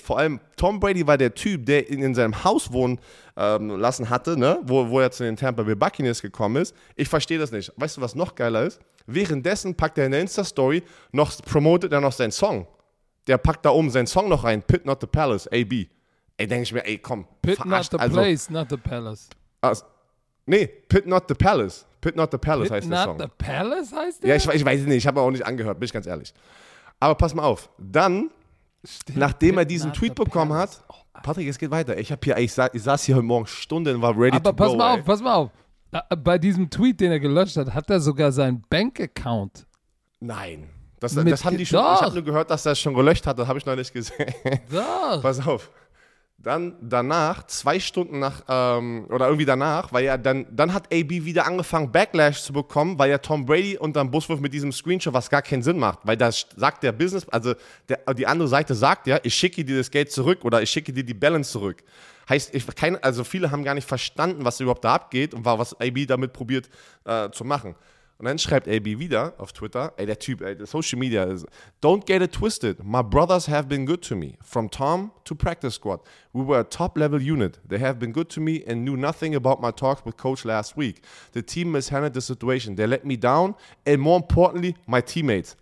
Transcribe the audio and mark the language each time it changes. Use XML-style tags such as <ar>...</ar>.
<de>Vor allem Tom Brady war der Typ, der ihn in seinem Haus wohnen lassen hatte, ne? wo er zu den Tampa Bay Buccaneers gekommen ist. Ich verstehe das nicht. Weißt du, was noch geiler ist? Währenddessen packt er in der Insta-Story, promotet er noch seinen Song. Der packt da oben seinen Song noch rein, Pit Not The Palace, AB. Denke ich mir, komm.</de> <en>Pit not the place, not the palace. Pit not the palace. Pit not the palace pit</en> <de>heißt der Song. Pit</de> <en>not the palace heißt</en> <de>der? Ja, ich weiß nicht. Ich habe auch nicht angehört, bin ich ganz ehrlich. Aber pass mal auf. Dann, nachdem er diesen Tweet bekommen hat. Patrick, es geht weiter. Ich saß hier heute Morgen Stunden und war ready to go. Pass mal auf. Bei diesem Tweet, den er gelöscht hat, hat er sogar seinen Bank-Account. Nein. Das haben die schon. Doch. Ich habe nur gehört, dass er es schon gelöscht hat. Das habe ich noch nicht gesehen. Doch. Pass auf. Dann danach, zwei Stunden nach, oder irgendwie danach, weil ja dann hat AB wieder angefangen, Backlash zu bekommen, weil ja Tom Brady unter dem Buswurf mit diesem Screenshot, was gar keinen Sinn macht, weil das sagt der Business, also die andere Seite sagt ja, ich schicke dir das Geld zurück oder ich schicke dir die Balance zurück. Heißt, viele haben gar nicht verstanden, was überhaupt da abgeht und was AB damit probiert zu machen. Und dann schreibt AB wieder auf Twitter, der Typ,</de> <en>Social Media, don't get it twisted, my brothers have been good to me, from Tom to practice squad, we were a top level unit, they have been good to me and knew nothing about my talks with coach last week, the team mishandled the situation, they let me down and more importantly, my teammates.</en>